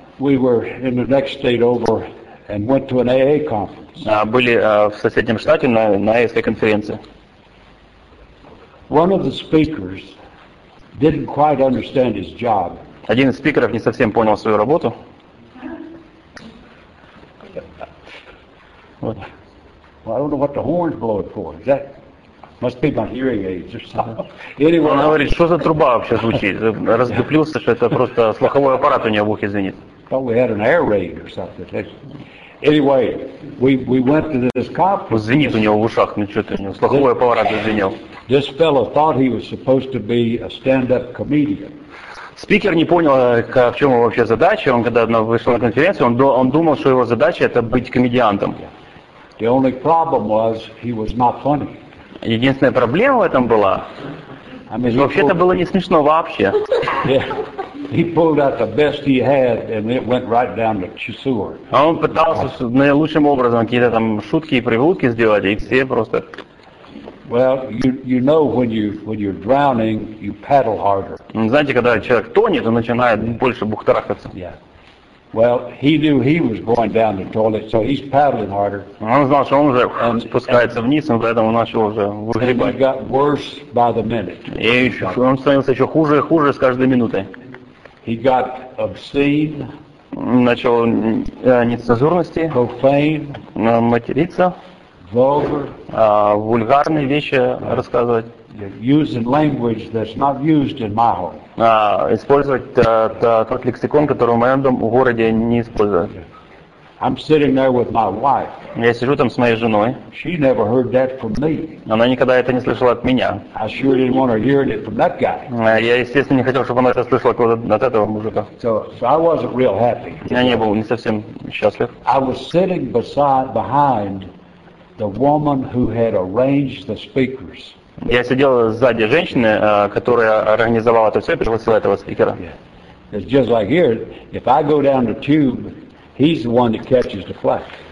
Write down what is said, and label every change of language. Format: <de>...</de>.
<en>We were in the next state over. And went to an AA conference.</en> <ru>Были в соседнем штате на AA конференции.</ru> <en>One of the speakers didn't quite understand his job.</en> <ru>Один из спикеров не совсем понял свою работу.</ru> <en>Well, I don't know what the horn's blowing for. Is that Must be my hearing aids or something. Anyway,</en> <ru>она говорит, что за труба вообще звучит? Раздуплился, что это просто слуховой аппарат у нее в ухе звенит.</ru> <en>Thought we had an air raid or something. Anyway, we went to this conference.</en> <ru>Звенит у него в ушах, ну что ты, у него слуховой аппарат звенел.</ru> <en>This fellow thought he was supposed to be a stand-up comedian.</en> <ru>Спикер не понял, в чем его вообще задача. Он когда вышел на конференцию, он думал, что его задача это быть комедиантом.</ru> <en>The only problem was he was not funny.</en> <ru>Единственная проблема в этом была. Вообще-то было не смешно вообще.</ru> <en>He pulled out the best he had, and it went right down the chasseur.</en> <ru>А он пытался наилучшим образом какие-то там шутки и привылки сделать, и все просто.</ru> <en>Well, you know when you're drowning, you paddle harder.</en> <ru>Знаете, когда человек тонет, он начинает больше бухтарахаться.</ru> <en>Yeah. Well, he knew he was going down the toilet, so he's paddling harder.</en> <ru>Он знал, что он уже спускается вниз, и поэтому начал уже выгребать.</ru> <en>And he got worse by the minute.</en> <ru>И еще, он становился еще хуже и хуже с каждой минутой.</ru> <en>He got obscene.</en> <ru>Начал нецензурности.</ru> <en>Profane.</en> <ru>Материться.</ru> <en>Vulgar.</en> <ru>Вульгарные вещи рассказывать.</ru> <en>Using language that's not used in my home.</en> <ru>Использовать тот лексикон, который в моем городе не используют.</ru> <en>I'm sitting there with my wife.</en> <ru>Я сижу там с моей женой.</ru> <en>She never heard that from me.</en> <ru>Она никогда это не слышала от меня.</ru> <en>I sure didn't want to hear it from that guy.</en> <ru>Я, естественно, не хотел, чтобы она это слышала от этого мужика.</ru> <en>So I wasn't real happy.</en> <ru>Я не был не совсем счастлив.</ru> <en>I was sitting behind the woman who had arranged the speakers.</en> <ru>Я сидел сзади женщины, которая организовала это все, пригласила этого спикера.</ru> <en>Yeah. It's just like here, if I go down the tube, he's the one that catches the flag.</en>